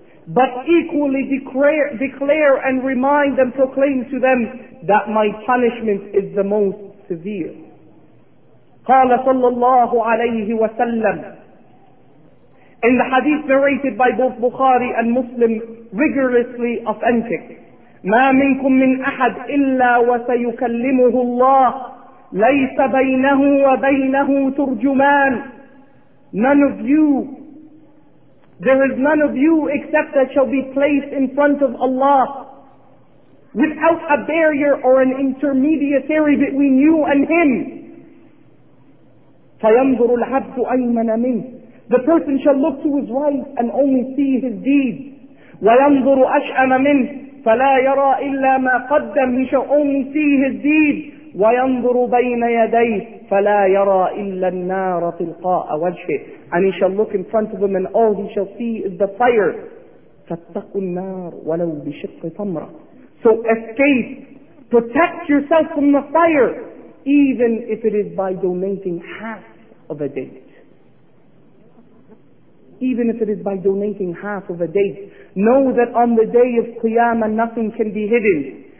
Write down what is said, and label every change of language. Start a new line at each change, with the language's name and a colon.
English: But equally declare and remind and proclaim to them that my punishment is the most severe.
Arabic: قال صلى الله عليه وسلم,
English: in the hadith narrated by both Bukhari and Muslim, rigorously authentic.
Arabic: ما منكم من أحد إلا وسيكلمه الله ليس بينه وبينه ترجمان.
English: None of you, there is none of you except that shall be placed in front of Allah without a barrier or an intermediary between you and Him.
Arabic: فينظر العبد أيمن منه.
English: The person shall look to his right and only see his deeds.
Arabic: وينظر أشأم منه. فلا يرى إلا ما قدم.
English: He shall only see his deeds.
Arabic: وينظر بين يديه. فلا يرى إلا النار تلقاء وجهه.
English: And he shall look in front of him and all he shall see is the fire.
Arabic: فاتقوا النار ولو بشق تمرة.
English: So escape, protect yourself from the fire, even if it is by donating half of a date. Even if it is by donating half of a date. Know that on the day of Qiyamah, nothing can be hidden.